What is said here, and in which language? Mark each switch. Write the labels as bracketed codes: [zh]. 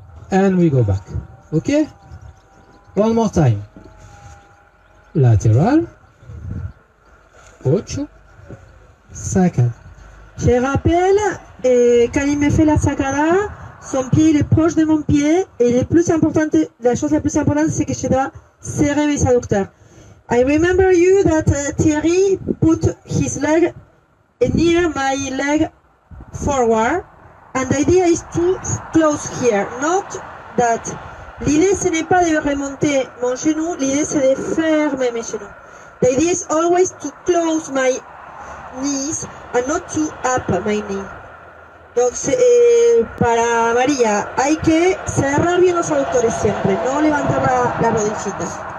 [en] And we go back. Okay? One more time. Lateral. Ocho. Sacada. [fr] Je rappelle, et quand il me fait la sacada, son pied il est proche de mon pied. Et le plus important, la chose la plus importante, c'est que je dois serrer mes adducteurs. [en] I remember you that Thierry put his leg near my leg forward, and the idea is to close here. Not that. [fr] L'idée ce n'est pas de remonter mon genou, l'idée c'est de fermer mes genoux. [en] The idea is always to close my knees and not to up my knee. [fr] Donc c'est [es] para María, hay que cerrar bien los aductores siempre, no levantar la rodillita.